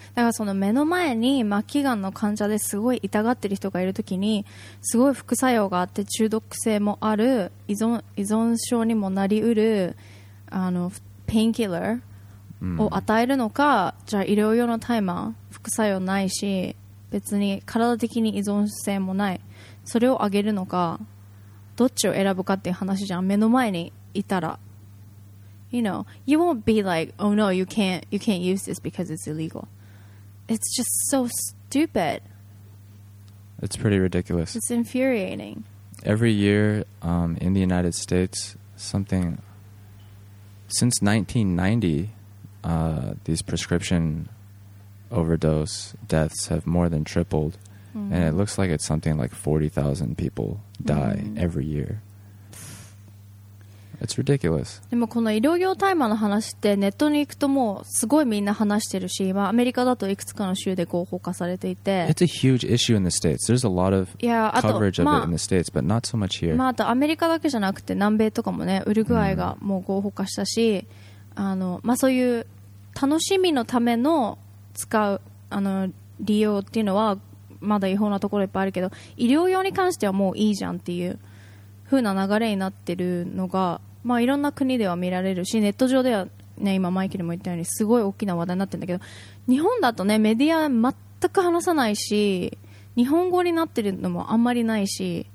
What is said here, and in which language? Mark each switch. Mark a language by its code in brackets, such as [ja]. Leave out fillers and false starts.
[ja] だからその目の前に末期がんの患者ですごい痛がってる人がいるときにすごい副作用があって中毒性もある、依存症にもなりうるあのペインキラーを与えるのか、じゃあ医療用のタイマー副作用ないし別に体的に依存性もないそれをあげるのか、どっちを選ぶかっていう話じゃん、目の前にいたら。 [en] You know, you won't be like, oh no, you can't use this because it's illegal. It's just so stupid. It's pretty ridiculous. It's infuriating. Every year, in the United States, something since 1990, these prescription overdose deaths have more than tripled. And it looks like it's something like 40,000 people die every year. It's ridiculous. [ja] でもこの医療用大麻の話ってネットに行くともうすごいみんな話してるし、今アメリカだといくつかの州で合法化されていて。 [en] It's a huge issue in the States. There's a lot of coverage of it in the States, but not so much here. [ja] まああとアメリカだけじゃなくて南米とかもね、ウルグアイがもう合法化したし、あのまあそういう楽しみのための使うあの利用っていうのはまだ違法なところいっぱいあるけど、医療用に関してはもういいじゃんっていう風な流れになってるのが、まあいろんな国では見られるし、ネット上ではね、今マイケルも言ったようにすごい大きな話題になってるんだけど、日本だとねメディア全く話さないし、日本語になってるのもあんまりないし、